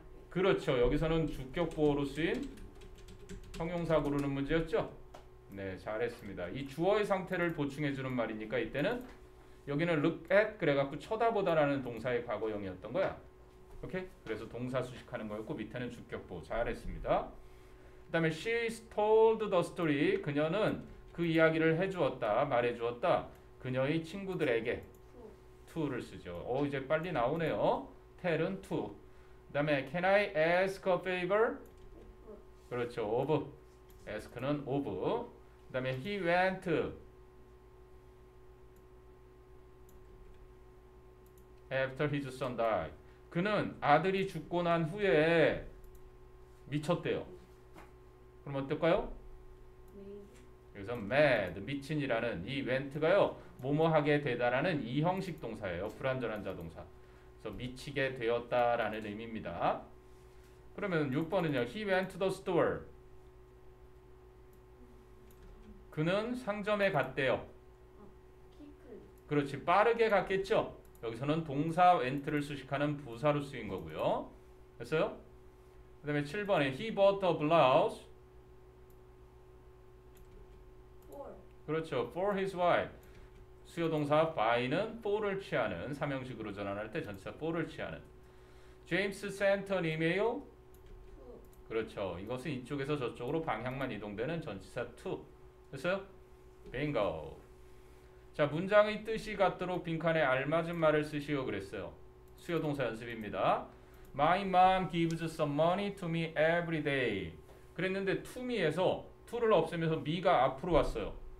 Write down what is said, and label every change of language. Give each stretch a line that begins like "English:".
Korean: 그렇죠. 여기서는 주격보어로 쓰인 형용사 고르는 문제였죠? 네, 잘했습니다. 이 주어의 상태를 보충해주는 말이니까 이때는 여기는 look at 그래갖고 쳐다보다라는 동사의 과거형이었던 거야. 오케이? 그래서 동사 수식하는 거였고 밑에는 주격보어. 잘했습니다. 그 다음에
English: she told the story.
Korean: 그녀는 그 이야기를 해주었다. 말해주었다. 그녀의 친구들에게 to를 쓰죠. 오, 이제 빨리 나오네요. tell은 to. 그 다음에
English: can I ask a favor?
Korean: 그렇죠. of. ask는 of. 그 다음에
English: he went. after his son died.
Korean: 그는 아들이 죽고 난 후에 미쳤대요. 그럼 어떨까요? 여기서 mad, 미친이라는 이 went가요. 뭐뭐하게 되다라는 이 형식 동사예요. 불완전한 자동사. 그래서 미치게 되었다라는 의미입니다. 그러면 6번은요.
English: He went to the store.
Korean: 그는 상점에 갔대요. 그렇지. 빠르게 갔겠죠. 여기서는 동사 went를 수식하는 부사로 쓰인 거고요. 됐어요? 그 다음에 7번에
English: He bought a blouse. For.
Korean: 그렇죠.
English: For his wife.
Korean: 수요동사 by는 for를 취하는 삼형식으로 전환할 때 전치사 for를 취하는.
English: James sent an email.
Korean: 그렇죠. 이것은 이쪽에서 저쪽으로 방향만 이동되는 전치사 to. 됐어요?
English: Bingo.
Korean: 자, 문장의 뜻이 같도록 빈칸에 알맞은 말을 쓰시오 그랬어요. 수요동사 연습입니다.
English: My mom gives some money to me every day.
Korean: 그랬는데 to me에서 to를 없애면서 me가 앞으로 왔어요.